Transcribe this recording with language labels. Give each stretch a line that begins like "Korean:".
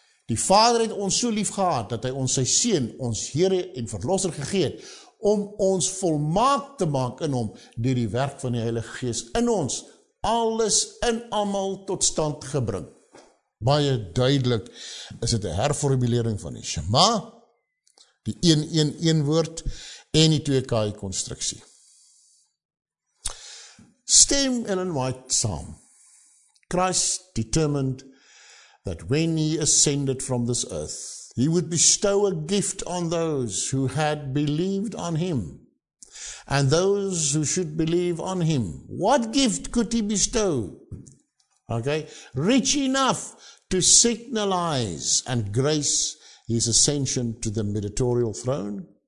Afrikaans: Die Vader het ons so lief gehad, dat hy ons sy Seun, ons Here en Verlosser gegee het, om ons volmaak te maak in hom, deur die werk van die Heilige Gees in ons, alles en allemaal tot stand gebring. Baie duidelik is het een herformulering van die Shema, die 1-1-1 woord, en die 2K constructie. Stem Ellen White saam.
English: Christ determined that when he ascended from this earth, he would bestow a gift on those who had believed on him and those who should believe on him. What gift could he bestow? Okay, rich enough to signalize and grace his ascension to the mediatorial throne.